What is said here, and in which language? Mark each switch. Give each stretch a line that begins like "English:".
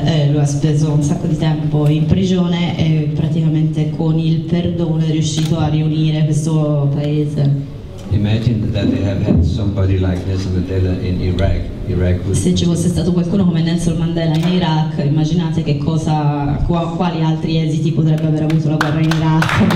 Italian: Lui ha speso un sacco di tempo in prigione e praticamente con il perdono è riuscito a riunire questo paese.
English: Imagine that they have had somebody like Nelson Mandela in Iraq. Iraq would.
Italian: Se ci fosse stato qualcuno come Nelson Mandela in Iraq, immaginate che cosa, quali altri esiti potrebbe aver avuto la guerra in Iraq.